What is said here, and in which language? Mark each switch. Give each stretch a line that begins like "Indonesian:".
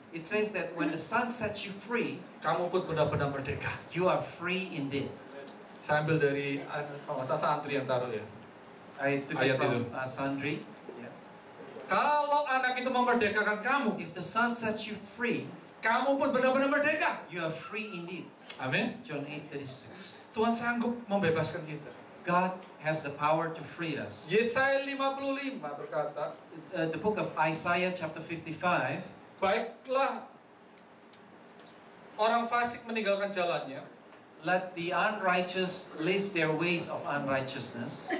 English: it says that when the son sets you free,
Indonesian: kamu pun benar-benar merdeka.
English: You are free indeed.
Indonesian: Saya ambil dari Sandri yang taruh ya.
English: I took ayat it from Sandri.
Indonesian: Kalau anak itu memerdekakan kamu,
English: if the son sets you free,
Indonesian: kamu pun benar-benar merdeka.
English: You are free indeed.
Indonesian: Amin.
English: John 8:36.
Indonesian: Tuhan sanggup membebaskan kita.
English: God has the power to free us.
Indonesian: Yesaya 55 berkata,
English: the book of Isaiah chapter 55,
Indonesian: baiklah orang fasik meninggalkan jalannya.
English: Let the unrighteous leave their ways of unrighteousness.